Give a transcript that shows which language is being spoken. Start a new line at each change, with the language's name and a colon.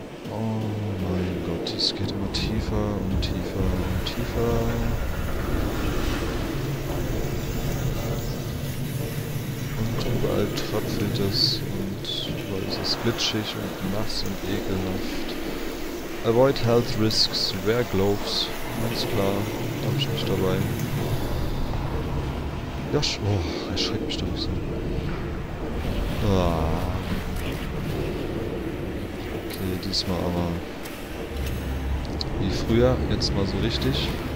German: Oh mein Gott, es geht immer tiefer und tiefer und tiefer. Und überall tröpfelt es und überall ist es glitschig und nass und ekelhaft.
English: Avoid health risks, wear gloves.
German: Ganz klar, da hab ich mich dabei. Josh, oh, er schreckt mich doch so. Ah. Okay, diesmal aber wie früher, jetzt mal so richtig.